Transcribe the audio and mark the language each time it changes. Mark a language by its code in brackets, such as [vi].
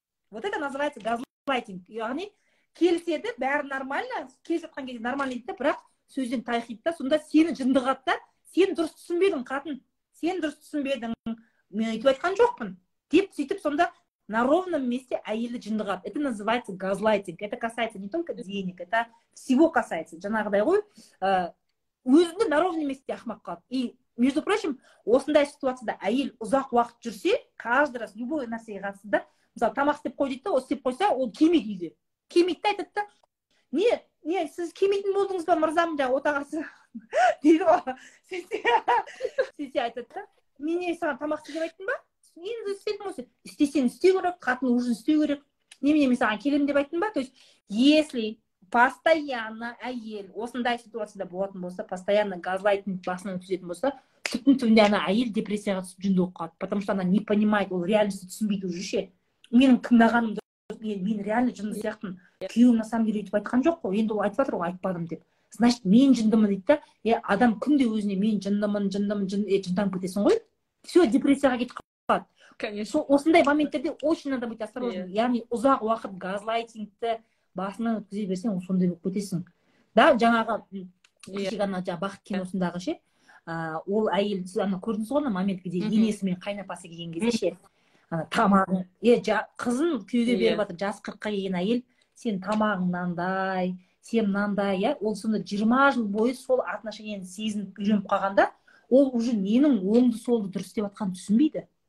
[ru] Вот это называется газлайтинг, [kk] яғни келіседі, бәрі нормально, келісіп жатқан кезде нормально дейді да, бірақ сөзден тайқиды да, сонда сені жынды қылады да, сен дұрыс түсінбедің қатын, сен дұрыс түсінбедің, мен өйтіп айтқан жоқпын деп сөйтіп сонда [ru] на ровном месте [kk] әйелді жындығады. [ru] Это называется газлайтинг, это касается не только денег, это всего касается, [kk] жаңағыдай ғой, өзіңді [ru] на ровном месте [kk] ақымақ қылады. [ru] И между прочим, [kk] осындай ситуацияда әйел ұзақ уақыт жүрсе, [ru] каждый раз любой [kk] нәрсеге қатысты да, мысалы тамақ істеп қой дейді да, осы істеп қойса ол келмейді үйге, келмейді де, айтады да, не сіз келмейтін болдыңыз ба мырзам, жаңағы отағасы дейді ғой, сөйтсе айтады да, мен не саған тамақ істе деп айттым ба, енді істедім, осы істесең істеу керек, қатын уже істеу керек, немене мен саған келемін деп айттым ба. [ru] То есть [kk] если постоянно әйел осындай ситуацияда болатын болса, постоянно газлайтинг басынан өткізетін болса, түптің түбінде ана әйел депрессияға түсіп жүнді болып қалады, [ru] потому что она не понимает, [kk] ол реальностьті түсінбейді уже ше, менің тыңдағаным мен реально жынды сияқтымын, күйеуім [ru] на самом деле [kk] өйтіп айтқан жоқ қой, енді ол айтып жатыр ғой, айтпадым деп, значит мен жындымын дейді да. Е, адам күнде өзіне мен жындымын жынданып кетесің ғой, все депрессияға кетіп қалады. [ru] конечно. [kk] Осындай моменттерде [ru] очень надо быть осторожным. [kk] Яғни ұзақ уақыт газлайтингті басынан өткізе берсең, сондай болып кетесің. Да, жаңағы кеше ғана бақыт киносындағы ше, ол әйел, сіз ана көрдіңіз ғой, моментке дейін енесімен қайнапасы келген кезде ше, ана тамағың, қызын күйеуге беріп жатыр, жас 40-қа келген әйел, сен тамағың мынандай, сен мынандай, иә, ол сонда 20 жыл бойы сол отношениені сезініп үйреніп қалғанда, ол уже ненің оңды солды дұрыс деп жатқанын түсінбейді.